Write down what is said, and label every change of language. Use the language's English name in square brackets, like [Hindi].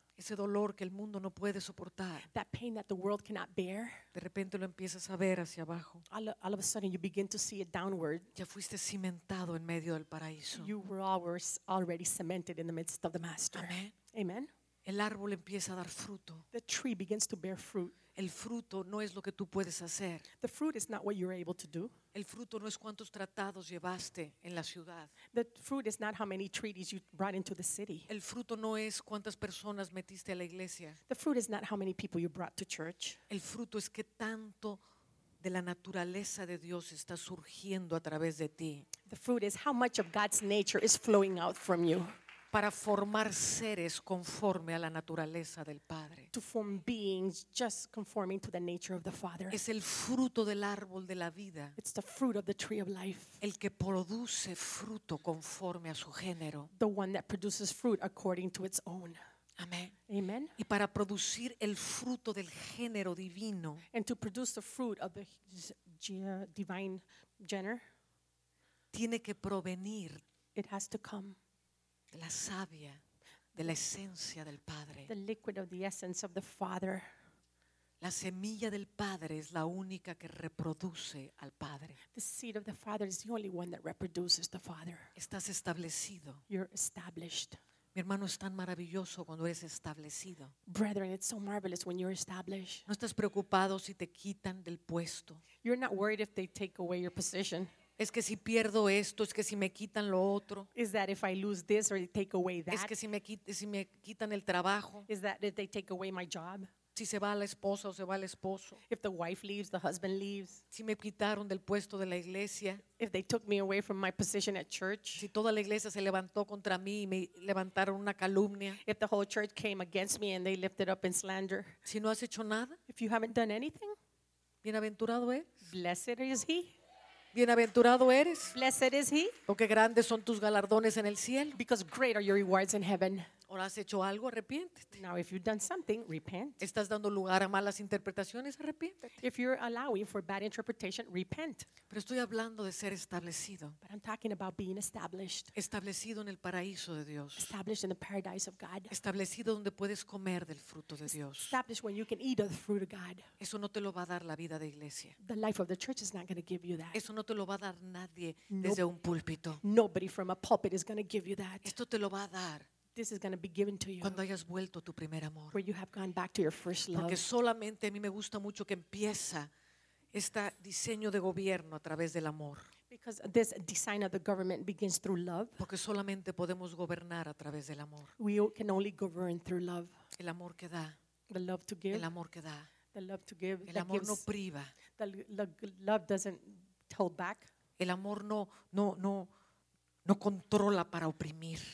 [Spanish] Ese dolor que el mundo no puede soportar. [English] That pain that the world cannot bear. [Spanish] De repente lo empiezas a ver hacia abajo. [English] All of a sudden you begin to see it downward. [Spanish] Ya fuiste cimentado en medio del paraíso. [English] You were already cemented in the midst of the master. [Spanish] Amén. [English] Amen. [Spanish] El árbol empieza a dar fruto. [English] The tree begins to bear fruit. [Spanish] El fruto no es lo que tú puedes hacer. [English] The fruit is not what you're able to do. [Spanish] El fruto no es cuántos tratados llevaste en la ciudad. [English] The fruit is not how many treaties you brought into the city. [Spanish] El fruto no es cuántas personas metiste a la iglesia. [English] The fruit is not how many people you brought to church. [Spanish] El fruto es qué tanto de la naturaleza de Dios está surgiendo a través de ti. [English] The fruit is how much of God's nature is flowing out from you. [Spanish] Para formar seres conforme a la naturaleza del Padre. [English] To form beings just conforming to the nature of the Father. [Spanish] Es el fruto del árbol de la vida. [English] It's the fruit of the tree of life. [Spanish] El que produce fruto conforme a su género. [English] The one that produces fruit according to its own. [Spanish] Amén. [English] Amen. [Spanish] Y para producir el fruto del género divino. [English] And to produce the fruit of the divine gender. [Spanish] Tiene que provenir. [English] It has to come. [Spanish] De la savia, de la esencia del Padre. [English] The liquid of the essence of the Father. [Spanish] La semilla del Padre es la única que reproduce al Padre. [English] The seed of the Father is the only one that reproduces the Father. [Spanish] Estás establecido. [English] You're established. [Spanish] Mi hermano, es tan maravilloso cuando eres establecido. [English] Brethren, it's so marvelous when you're established. [Spanish] No estás preocupado si te quitan del puesto. [English] You're not worried if they take away your position. [Spanish] Es que si pierdo esto, es que si me quitan lo otro. [English] Is that if I lose this or take away that? [Spanish] Es que si me quitan el trabajo. [English] Is that if they take away my job? [Spanish] Si se va la esposa o se va el esposo. [English] If the wife leaves, the husband leaves. [Spanish] Si me quitaron del puesto de la iglesia. [English] If they took me away from my position at church. [Spanish] Si toda la iglesia se levantó contra mí y me levantaron una calumnia. [English] If the whole church came against me and they lifted up in slander. [Spanish] Si no has hecho nada. [English] If you haven't done anything. [Spanish] Bienaventurado es. [English] Blessed is he. [Spanish] Bienaventurado eres. [English] Blessed is he. [Spanish] Porque grandes son tus galardones en el cielo. [English] Because great are your rewards in heaven. [Spanish] ¿Ahora has hecho algo? Arrepiéntete. [English] Now if you've done something, repent. [Spanish] ¿Estás dando lugar a malas interpretaciones? Arrepiéntete. [English] If you're allowing for bad interpretation, repent. [Spanish] Pero estoy hablando de ser establecido. [English] But I'm talking about being established. [Spanish] Establecido en el paraíso de Dios. [English] Established in the paradise of God. [Spanish] Establecido donde puedes comer del fruto de Dios. [English] Established when you can eat of the fruit of God. [Spanish] Eso no te lo va a dar la vida de iglesia. [English] The life of the church is not going to give you that. [Spanish] Eso no te lo va a dar nadie desde un púlpito. [English] Nobody from a pulpit is going to give you that. [Spanish] Esto te lo va a dar. [English] This is going to be given to you. [Spanish] Cuando hayas vuelto a tu primer amor. [English] Where you have gone back to your first love. [Spanish] Porque solamente a mí me gusta mucho que empieza este diseño de gobierno a través del amor. [English] Because this design of the government begins through love. [Spanish] Porque solamente podemos gobernar a través del amor. [English] We can only govern through love. [Spanish] El amor que da. [English] The love to give. [Spanish] El amor que da. [English] The love to give. [Spanish] El amor no priva. [English] The love doesn't hold back. [Spanish] El amor no controla para oprimir.